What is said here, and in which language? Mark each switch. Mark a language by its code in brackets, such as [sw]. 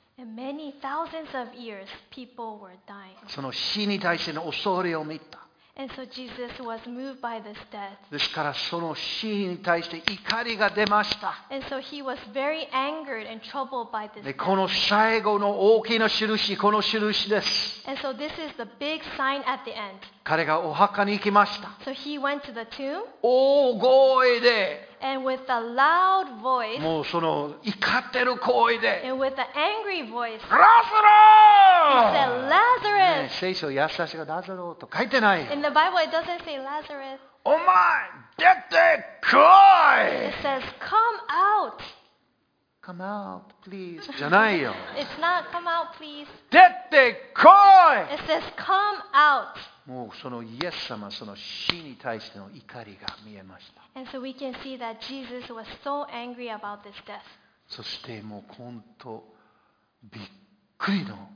[en] And many thousands of years, people were dying. [ja] その死に対しての恐れを見た。 [en] And so Jesus was moved by this death. [ja] ですからその死に対して怒りが出ました。 [en] And so he was very angered and troubled by this death. [ja] この最後の大きな印、この印です。 [en] And so this is the big sign at the end. [ja] 彼がお墓に行きました。 [en] So he went to the tomb. [ja] 大声で。 [en] And with a loud voice. [ja] もうその怒ってる声で。 [en] And with an angry voice. [ja] ラスロー [en] He said, Lazarus. [ja] 聖書優しがラザロと書いてないよ。 [en] In the Bible, it doesn't say Lazarus. [ja] お前出てこい。 [en] It says, come out. Come out, please. [ja] じゃないよ。 [en] It's not come out, please. [ja] 出てこい。 [en] It says, come out. [ja] もうそのイエス様、その死に対しての怒りが見えました。 [en] And so we can see that Jesus was so angry about this death. [ja] そしてもう本当びっくりの。